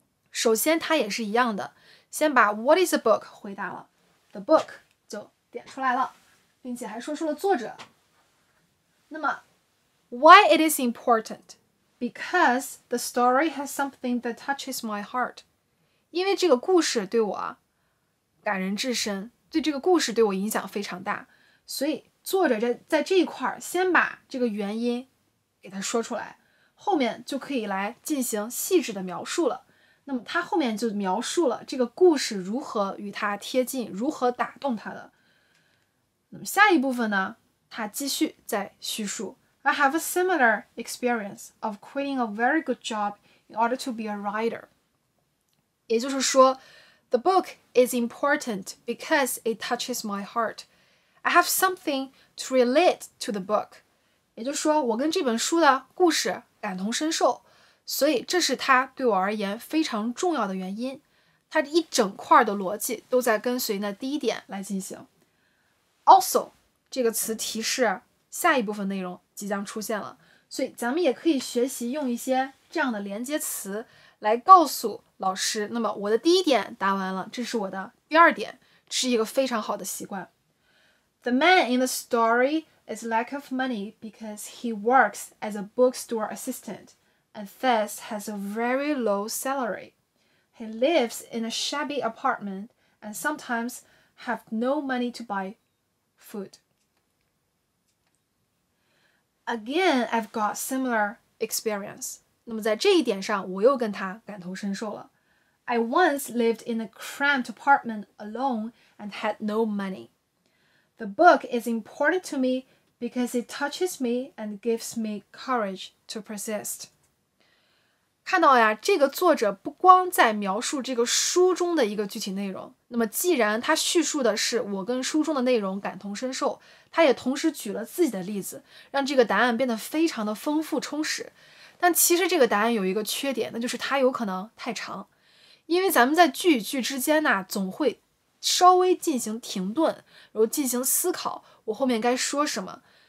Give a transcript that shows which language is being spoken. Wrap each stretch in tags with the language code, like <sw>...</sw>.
<zh>首先它也是一样的，先把</zh> <en>what is a book</en> <zh>回答了，</zh> <en>the book</en> <zh>就点出来了，并且还说出了作者。那么</zh> <en>why it is important? Because the story has something that touches my heart.</en> <zh>因为这个故事对我感人至深，对这个故事对我影响非常大，所以作者在这一块先把这个原因给他说出来，后面就可以来进行细致的描述了。那么他后面就描述了这个故事如何与他贴近，如何打动他的。那么下一部分呢，他继续在叙述。</zh> <en>I have a similar experience of quitting a very good job in order to be a writer.</en> <zh>也就是说</zh> <en>The book is important because it touches my heart. I have something to relate to the book.</en> <zh>也就是说我跟这本书的故事感同身受，所以这是他对我而言非常重要的原因。他一整块的逻辑都在跟随那第一点来进行。</zh> <en>Also,</en> <zh>这个词提示下一部分内容即将出现了。所以咱们也可以学习用一些这样的连接词来告诉老师，那么我的第一点答完了，这是我的第二点，是一个非常好的习惯。</zh> <en>The man in the story is lack of money because he works as a bookstore assistant. And thus has a very low salary. He lives in a shabby apartment and sometimes have no money to buy food. Again, I've got similar experience.</en> <zh>那么在这一点上我又跟他感同身受了。</zh> <en>I once lived in a cramped apartment alone and had no money. The book is important to me because it touches me and gives me courage to persist.</en> <zh>看到呀，这个作者不光在描述这个书中的一个具体内容，那么既然他叙述的是我跟书中的内容感同身受，他也同时举了自己的例子，让这个答案变得非常的丰富充实。但其实这个答案有一个缺点，那就是它有可能太长，因为咱们在句与句之间呢，总会稍微进行停顿，然后进行思考，我后面该说什么。</zh>